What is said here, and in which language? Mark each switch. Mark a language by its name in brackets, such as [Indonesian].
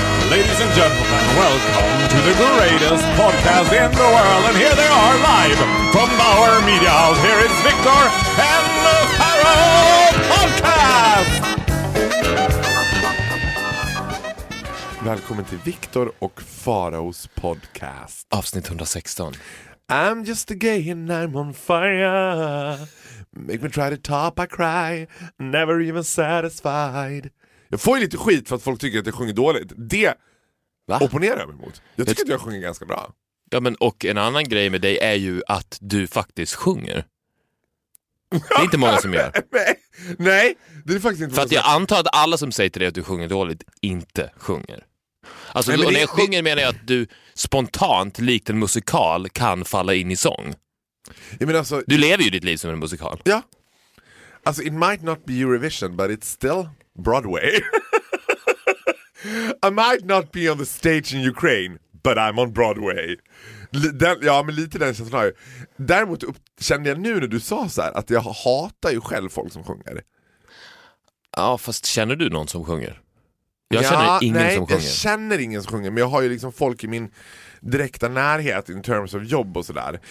[English] Ladies and gentlemen, welcome to the greatest podcast in the world. And here they are live from Bauer Media House. Here is Victor and the Pharaoh Podcast! [Swedish] Välkommen till Victor och Pharaohs podcast. Avsnitt 116. [English] I'm just a gay and I'm on fire. Make me try to top, I cry. Never even satisfied. [Swedish] Jag får ju lite skit för att folk tycker att jag sjunger dåligt. Det... Va? Opponerar jag mig emot. Jag tycker att jag sjunger ganska bra. Ja, men och en annan grej med dig är ju att du faktiskt sjunger. Det är inte många som gör. Nej, det är faktiskt inte. För att jag antar att alla som säger till dig att du sjunger dåligt inte sjunger. Alltså, nej, men och när jag sjunger menar jag att du spontant, likt en musikal, kan falla in i sång. Ja, men alltså, du lever ju ditt liv som en musikal. Ja. Alltså, [English] it might not be Eurovision, but it's still Broadway. I might not be on the stage in Ukraine, but I'm on Broadway. [Swedish] Ja, men lite den känslan har jag. Däremot kände jag nu när du sa så här att jag hatar ju själv folk som sjunger. Ja, fast känner du någon som sjunger? Jag känner ingen som sjunger. Nej, jag känner ingen som sjunger, men jag har ju liksom folk i min direkta närhet [English] in terms of [Swedish] jobb och sådär.